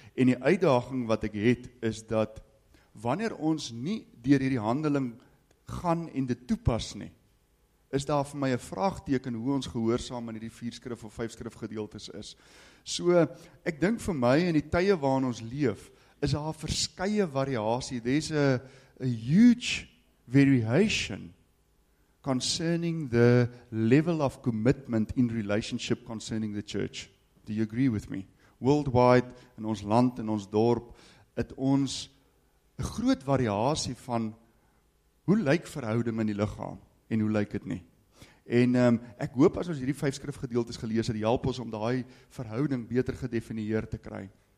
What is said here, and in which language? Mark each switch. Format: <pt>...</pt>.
<af>En die uitdaging wat ek het, is dat wanneer ons nie deur hierdie handeling gaan en dit toepas nie, is daar vir my 'n vraagteken hoe ons gehoorsaam aan hierdie 4 skrif of 5 skrifgedeeltes is. So, ek dink vir my in die tye waarin ons leef, is daar verskeie variasie.</af> <en>There's a huge variation concerning the level of commitment in relationship concerning the church. Do you agree with me?</en> <af>Worldwide, in ons land, in ons dorp, het ons 'n groot variasie van hoe lyk verhouding in die liggaam en hoe lyk dit nie. En ek hoop as ons hierdie 5 skrifgedeeltes gelees het, help ons om daai verhouding beter gedefinieer te kry.</af>